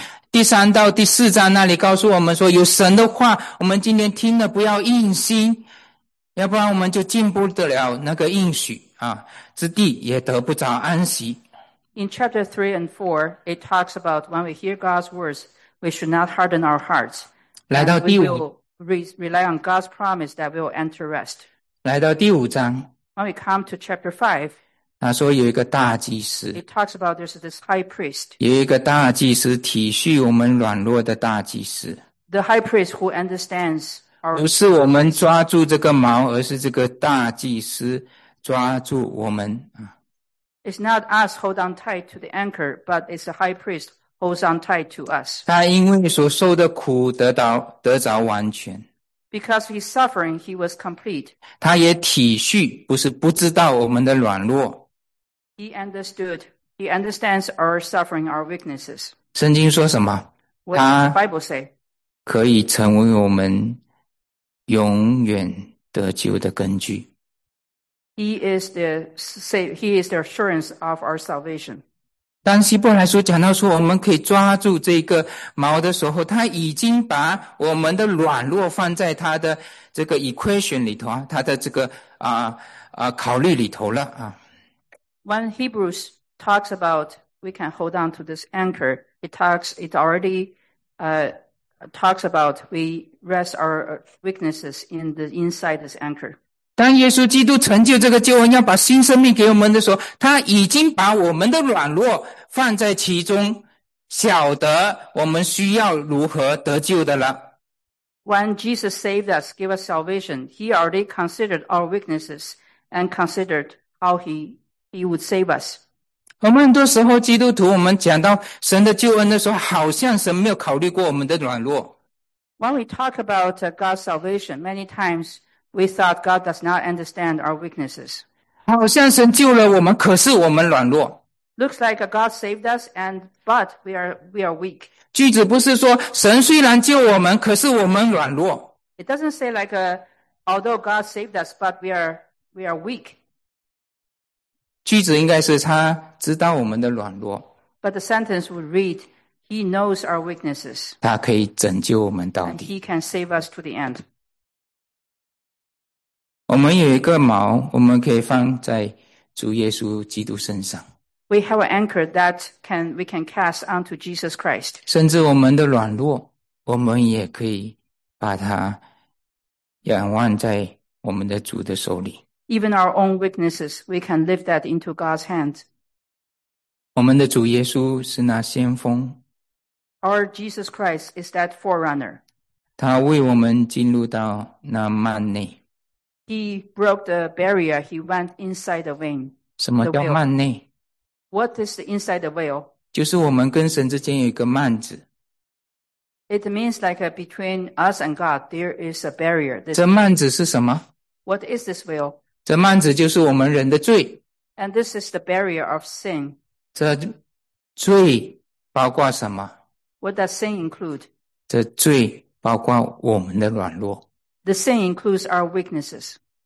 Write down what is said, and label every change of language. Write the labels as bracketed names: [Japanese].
[Chinese] 第三到第四章那里告诉我们说，有神的话，我们今天听了不要硬心，要不然我们就进不得了那个应许啊之地，也得不着安息。 [English] In chapter 3 and 4, it talks about when we hear God's words, we should not harden our hearts. [Chinese] 来到第五, [English] we will rely on God's promise that we will enter rest. [Chinese] 来到第五章, [English] when we come to chapter 5, [Chinese] 他说有一个大祭司, [English] it talks about there's this high priest. [Chinese] 有一个大祭司, 体恤我们软弱的大祭司, [English] the high priest who understands our [Chinese] 不是我们抓住这个锚, 而是这个大祭司抓住我们。 [English] It's not us hold on tight to the anchor, but it's the high priest holds on tight to us. [Chinese] 他因为所受的苦得着完全。 [English] Because he's suffering, he was complete. [Chinese] 他也体恤，不是不知道我们的软弱。 [English] He understood. He understands our suffering, our weaknesses. [Chinese] 圣经说什么？ [English] What does the Bible say? [Chinese] 可以成为我们永远得救的根据。 [English] He is the assurance of our salvation. [Chinese] 当希伯来书讲到说我们可以抓住这个锚的时候，他已经把我们的软弱放在他的这个 equation 里头，他的这个考虑里头了啊。 [English] When Hebrews talks about we can hold on to this anchor, it already talks about we rest our weaknesses in the inside this anchor. [Chinese] 当耶稣基督成就这个救恩，要把新生命给我们的时候，他已经把我们的软弱放在其中，晓得我们需要如何得救的了。 [English] When Jesus saved us, gave us salvation, He already considered our weaknesses and considered how He would save us. [Chinese] 我们很多时候基督徒，我们讲到神的救恩的时候，好像神没有考虑过我们的软弱。 [English] When we talk about God's salvation, many times we thought God does not understand our weaknesses. [Chinese] 好像神救了我们，可是我们软弱。 [English] Looks like God saved us, and but we are weak. [Chinese] 句子不是说神虽然救我们，可是我们软弱。 [English] It doesn't say like although God saved us, but we are weak. [Chinese] 句子应该是他知道我们的软弱。 [English] But the sentence would read, He knows our weaknesses. [Chinese] 他可以拯救我们到底。 [English] And He can save us to the end. [Chinese] 我们有一个锚，我们可以放在主耶稣基督身上。 [English] We have an anchor that we can cast onto Jesus Christ. [Chinese] 甚至我们的软弱，我们也可以把它仰望在我们的主的手里。 [English] Even our own weaknesses, we can lift that into God's hands. [Chinese] 我们的主耶稣是那先锋。 [English] Our Jesus Christ is that forerunner. [Chinese] 他为我们进入到那幔内。 [English] He broke the barrier. He went inside the vein. [Chinese] 什么叫幔内？ [English] What is the inside the veil? [Chinese] 就是我们跟神之间有一个幔子。 [English] It means like between us and God, there is a barrier. [Chinese] 这幔子是什么？ [English] What is this veil? [Chinese] 这幔子就是我们人的罪。 [English] And this is the barrier of sin. [Chinese] 这罪包括什么？ [English] What does sin include? [Chinese] 这罪包括我们的软弱。 [English] The sin includes our weaknesses.